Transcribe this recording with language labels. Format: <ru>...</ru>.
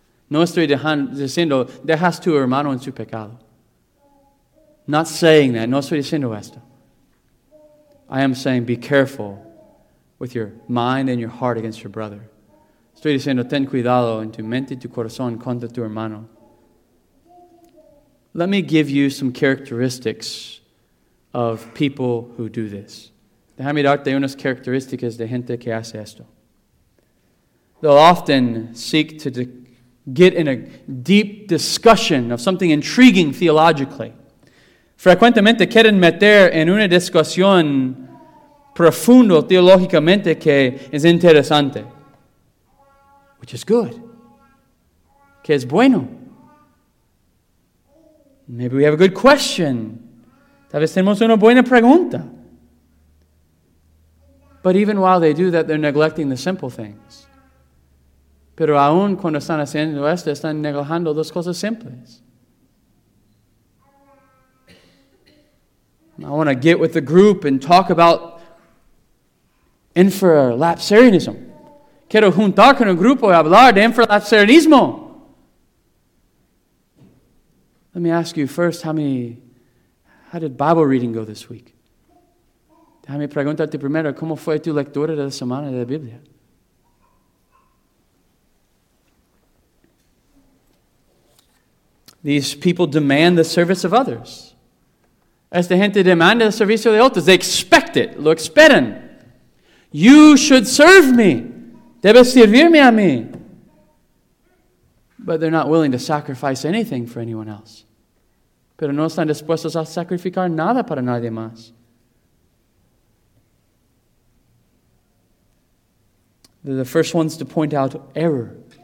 <es>No estoy diciendo dejas tu hermano en su pecado.</es> <en>Not saying that.</en> <es>No estoy diciendo esto.</es> <en>I am saying be careful with your mind and your heart against your brother.</en> <es>Estoy diciendo ten cuidado en tu mente y tu corazón contra tu hermano.</es> <en>Let me give you some characteristics of people who do this.</en> <es>Déjame darte unas características de gente que hace esto.</es> <en>They'll often seek to get in a deep discussion of something intriguing theologically.</en> <es>Frecuentemente quieren meter en una discusión profundo teológicamente que es interesante.</es> <en>Which is good.</en> <es>Que es bueno.</es> <en>Maybe we have a good question.</en> <es>Tal vez tenemos una buena pregunta.</es> <en>But even while they do that, they're neglecting the simple things.</en> <es>Pero aún cuando están haciendo esto, están negando dos cosas simples.</es> <en>I want to get with the group and talk about infralapsarianism.</en> <es>Quiero juntar con el grupo y hablar de infralapsarianismo.</es> <en>Let me ask you first, how did Bible reading go this week?</en> <es>Déjame preguntarte primero, ¿cómo fue tu lectura de la semana de la Biblia?</es> <en>These people demand the service of others.</en> <es>Esta gente demanda el servicio de otros.</es> <en>They expect it.</en> <es>Lo esperan.</es> <en>You should serve me.</en> <es>Debes servirme a mí.</es> <en>But they're not willing to sacrifice anything for anyone else.</en> <es>Pero no están dispuestos a sacrificar nada para nadie más.</es> <en>They're the first ones to point out error.</en>